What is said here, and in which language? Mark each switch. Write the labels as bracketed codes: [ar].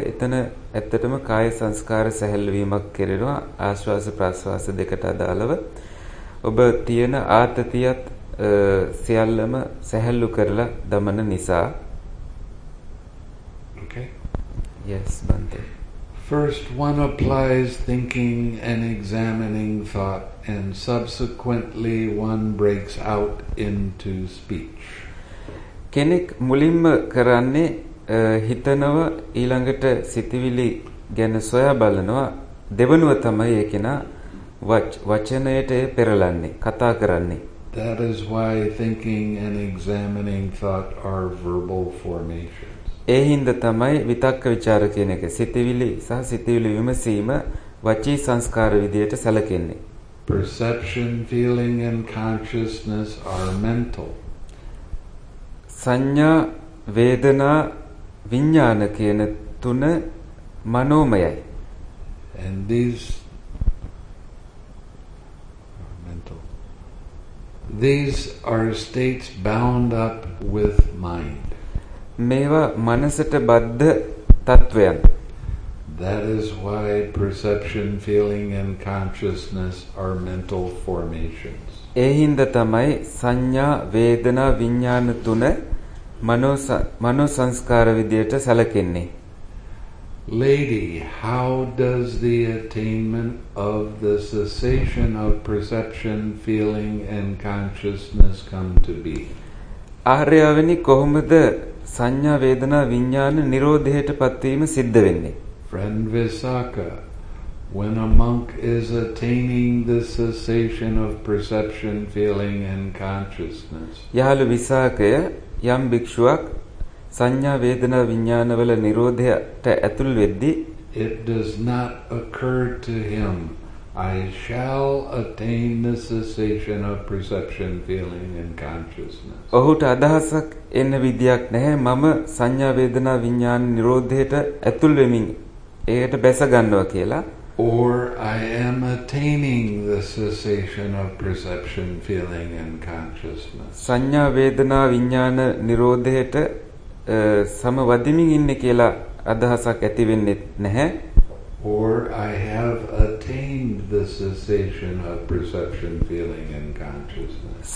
[si] එතන ඇත්තටම කාය සංස්කාර සැහැල්ලුවීමක් කෙරෙනවා ආශ්වාස ප්‍රශ්වාස දෙකට අදාළව. ඔබ තියෙන ආතතියත් සියල්ලම සැහැල්ලු කරලා දමන නිසා. [en] Okay. Yes, Bhante. First, one applies thinking and examining thought, and subsequently one breaks out into speech. [si] කෙනෙක් මුලින්ම කරන්නේ හිතනව ඊළඟට සිතවිලි ගැන සොයා බලනවා දෙවනුව තමයි ඒකේන වචනයට පෙරලන්නේ කතා කරන්නේ. [en] That is why thinking and examining thought are verbal formations. [si] ඒ හිඳ තමයි විතක්ක ਵਿਚාර කියන එක සිතවිලි සහ සිතවිලි විමසීම වචී සංස්කාර විදියට සැලකෙන්නේ. [en] Perception, feeling and consciousness are mental. [si] සංඥා, වේදනා, විඥාන කියන තුන මනෝමයයි. [en] And these are mental. These are states bound up with mind. [si] මේවා මනසට බද්ධ තත්වයන්. [en] That is why perception, feeling, and consciousness are mental formations. [si] ඒහිඳ තමයි සංඥා වේදනා විඥාන තුන මනෝ සංස්කාර විදියට සැලකෙන්නේ. [en] Lady, how does the attainment of the cessation of perception, feeling, and consciousness come to be? [si] ආර්යවනි කොහොමද සංඥා වේදනා විඥාන නිරෝධයටපත් වීම සිද්ධ වෙන්නේ? [en] Friend Visakha, when a monk is attaining the cessation of perception, feeling, and consciousness, [si] යහළු විසාකය යම් භික්ෂුවක් සංඥා වේදනා විඥානවල නිරෝධයට ඇතුල් වෙද්දී [en] it does not occur to him I shall attain the cessation of perception, feeling, and consciousness. [si] ඔහුට අදහසක් එන්න විදියක් නැහැ මම සංඥා වේදනා විඥාන නිරෝධයට ඇතුල් වෙමින් ඒකට බැස ගන්නවා කියලා. [en] Or I am attaining the cessation of perception, feeling, and consciousness. [si] සංඥා වේදනා විඥාන නිරෝධයට සමවදිමින් ඉන්නේ කියලා අදහසක් ඇති වෙන්නේ නැහැ. [en] Or I have attained the cessation of perception, feeling, and consciousness.